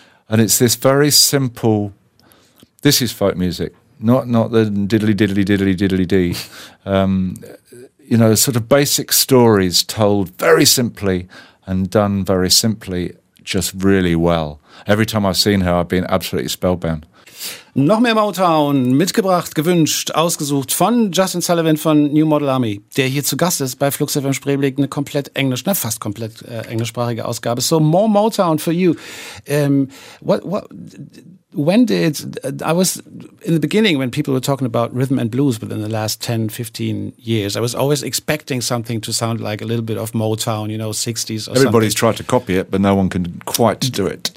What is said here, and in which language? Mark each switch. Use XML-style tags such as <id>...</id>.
<en>And it's this very simple. This is folk music, not the diddly diddly diddly diddly dee. You know, sort of basic stories told very simply and done very simply, just really well. Every time I've seen her, I've been absolutely spellbound.</en> <de>Noch mehr Motown, mitgebracht, gewünscht, ausgesucht von Justin Sullivan von New Model Army, der hier zu Gast ist bei Flux FM Spreeblick, eine komplett englisch, ne, fast komplett englischsprachige Ausgabe.</de> <en>So, more Motown for you. I was in the beginning when people were talking about rhythm and blues, but in the last 10, 15 years, I was always expecting something to sound like a little bit of Motown, you know, 60s or Everybody's something. Tried to copy it, but no one can quite do it.</en>